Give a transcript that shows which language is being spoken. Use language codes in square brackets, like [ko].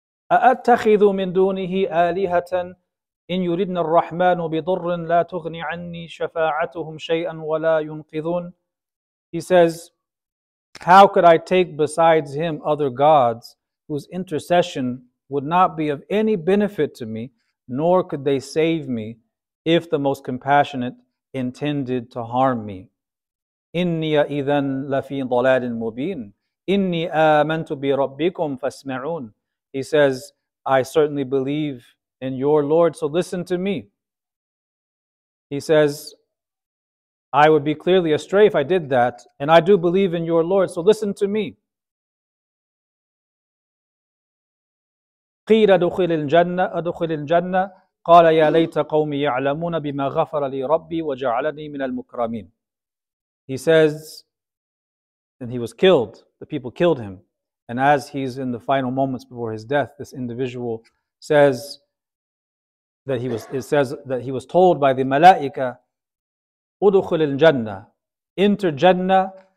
[ar] أَأَتَّخِذُ مِن دُونِهِ آلِهَةً إِن يُرِدْنَ الرَّحْمَنُ بِضُرٍ لَا تُغْنِ عَنِّي شَفَاعَتُهُمْ شَيْئًا وَلَا يُنْقِذُونَ. [en] He says, how could I take besides him other gods whose intercession would not be of any benefit to me, nor could they save me if the most compassionate intended to harm me? [ar] إني إذن لفي ضلال مبين إني آمنت بربكم فاسمعون. [en] He says, I certainly believe in your Lord, so listen to me. He says, I would be clearly astray if I did that, and I do believe in your Lord, so listen to me. [ar] قيل أدخل الجنة أدخل الجنة قال يا ليت قومي يعلمون بما غفر لي ربي وجعلني من المكرمين. [en] He says, and he was killed, the people killed him. And as he's in the final moments before his death, this individual says that he was told by the malaika, [ar] "Udukhul al-jannah," [en] enter Jannah.